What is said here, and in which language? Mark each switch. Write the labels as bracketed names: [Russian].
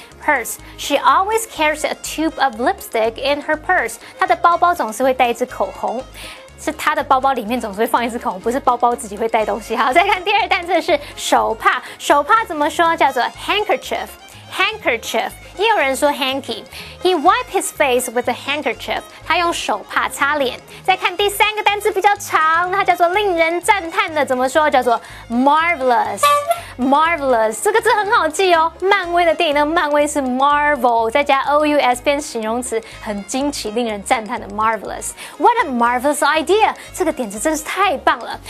[English] Purse. She always carries a tube of lipstick in her purse. [Chinese] 她的包包总是会带一支口红，是她的包包里面总是会放一支口红，不是包包自己会带东西。好，再看第二单词是手帕。手帕怎么说？叫做 [English] handkerchief. [Chinese] handkerchief， 也有人说 hanky。 [English] He wiped his face with a handkerchief， [Chinese] 他用手帕擦脸。再看第三个单字比较长，它叫做令人赞叹的，怎么说？叫做 marvelous。Marvelous 这个字很好记哦，漫威的电影呢，漫威是 Marvel， 再加 O-U-S 变形容词，很惊奇令人赞叹的 Marvelous。 [English] What a marvelous idea， [Chinese] 这个点子真是太棒了。